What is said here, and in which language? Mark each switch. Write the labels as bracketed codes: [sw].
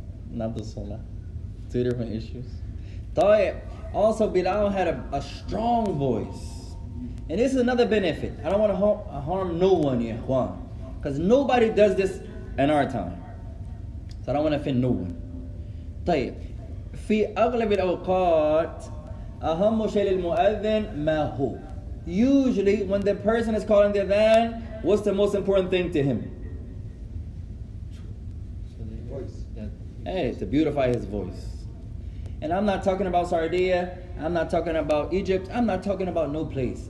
[en] Not the salah. Two different issues. طيب. Also, Bilal had a strong voice. And this is another benefit. I don't want to harm no one, ya Ikhwan. Because nobody does this in our time. So I don't want to offend no one. [ar] طيب في أغلب الأوقات أهم شيء للمؤذن ما هو. [en] Usually when the person is calling the adhan, what's the most important thing to him? Hey, to beautify his voice. And I'm not talking about Saudia, I'm not talking about Egypt, I'm not talking about no place.